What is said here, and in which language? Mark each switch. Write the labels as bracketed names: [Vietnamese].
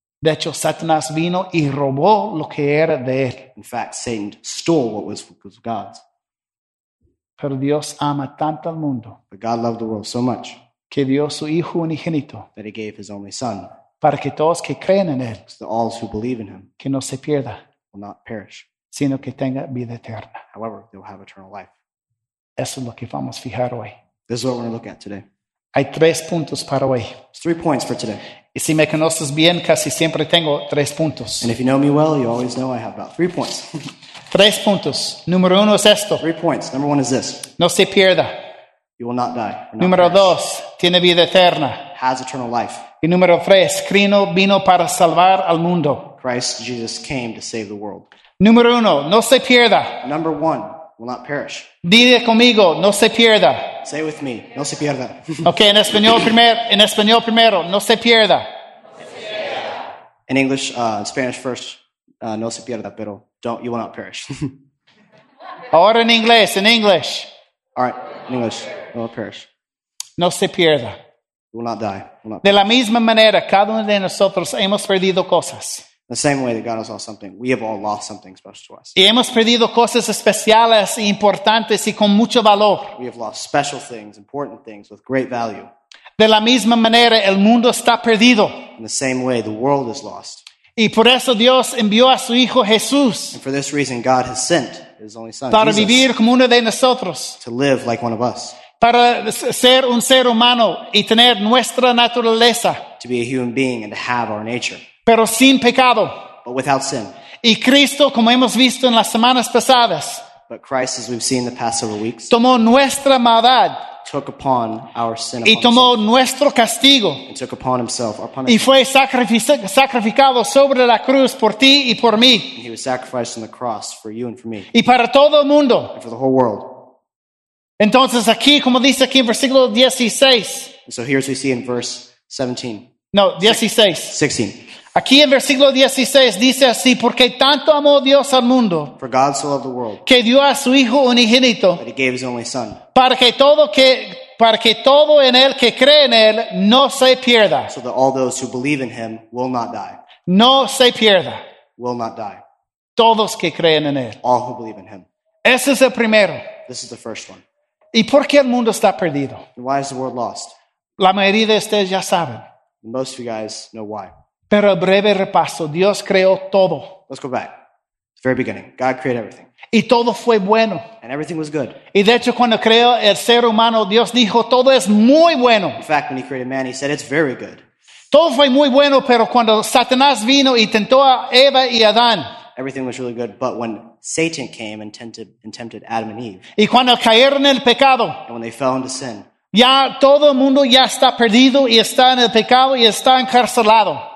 [Spanish] De hecho, Satanás vino y robó lo que era de él. [English] In fact, Satan stole what was God's. [Spanish] Pero Dios ama tanto al mundo. [English] But God loved the world so much. [Spanish] Que dio su hijo unigénito. [English] That he gave his only son. [Spanish] Para que todos que creen en él. [English] So that all who believe in him. [Spanish] Que no se pierda. [English] Will not perish. [Spanish] Sino que tenga vida eterna. [English] However, they'll have eternal life. [Spanish] Eso es lo que vamos a fijar hoy. [English] This is what we're going to look at today. [Spanish] Hay tres puntos para hoy. [English] There's 3 points for today. [Spanish] Y si me conoces bien, casi siempre tengo 3 puntos. [English] And if you know me well, you always know I have about 3 points. [Spanish] 3 puntos. Número uno es esto. [English] 3 points. Number one is this. [Spanish] No se pierda. [English] You will not die. [Spanish] Número dos. Tiene vida eterna. [English] Has eternal life. [Spanish] Y número tres. Cristo vino para salvar al mundo. [English] Christ Jesus came to save the world. [Spanish] Número uno. No se pierda. [English] Number one. Will not perish. [Spanish] Dile conmigo. No se pierda. [English] Say with me, [Spanish] no se pierda. Okay, en español primero, no se pierda. [English] In English, Spanish first, [Spanish] no se pierda, pero [English] don't, you will not perish. [Spanish] Ahora en English. [English] All right, in English, no will perish. [Spanish] No se pierda. [English] Will not die. Will not [Spanish] de la misma manera, cada uno de nosotros hemos perdido cosas. [English] The same way that God has lost something, we have all lost something special to us. [Spanish] Y hemos perdido cosas especiales, importantes y con mucho valor. [English] We have lost special things, important things with great value. [Spanish] De la misma manera, el mundo está perdido. [English] In the same way, the world is lost. [Spanish] Y por eso Dios envió a su hijo Jesús. [English] And for this reason, God has sent his only son, [Spanish] para [English] Jesus, [Spanish] vivir como uno de nosotros. [English] To live like one of us. [Spanish] Para ser un ser humano y tener nuestra naturaleza. [English] To be a human being and to have our nature. [Spanish] Pero sin pecado. [English] But without sin. [Spanish] Y Cristo, como hemos visto en las semanas pasadas. [English] But Christ, as we've seen the past several weeks. [Spanish] Tomó nuestra maldad. [English] Took upon our sin. [Spanish] Y tomó nuestro castigo. [English] And took upon himself our punishment. [Spanish] Y fue sacrificado sobre la cruz por ti y por mí. [English] And he was sacrificed on the cross for you and for me. [Spanish] Y para todo el mundo. [English] And for the whole world. [Spanish] Entonces aquí, como dice aquí en versículo 16. [English] And so here's what we see in verse 17. [Spanish] No, 16. [English] 16. [Spanish] Aquí en versículo 16 dice así, porque tanto amó Dios al mundo, [English] for God so loved the world, [Spanish] que dio a su Hijo unigénito, [English] that he gave his only son, [Spanish] para que todo en él que cree en él no se pierda. [English] So that all those who believe in him will not die. [Spanish] No se pierda. [English] Will not die. [Spanish] Todos que creen en él. [English] All who believe in him. [Spanish] Ese es el primero. [English] This is the first one. [Spanish] ¿Y por qué el mundo está perdido? [English] And why is the world lost? [Spanish] La mayoría de ustedes ya saben. [English] Most of you guys know why. [Spanish] Pero breve repaso, Dios creó todo. [English] Let's go back. The very beginning. God created everything. [Spanish] Y todo fue bueno. [English] And everything was good. [Spanish] Y de hecho, cuando creó el ser humano, Dios dijo, todo es muy bueno. [English] In fact, when he created man, he said, it's very good. [Spanish] Todo fue muy bueno, pero cuando Satanás vino y tentó a Eva y Adán. [English] Everything was really good, but when Satan came and tempted Adam and Eve. [Spanish] Y cuando cayeron en el pecado. [English] And when they fell into sin. [Spanish] Ya todo el mundo ya está perdido y está en el pecado y está encarcelado.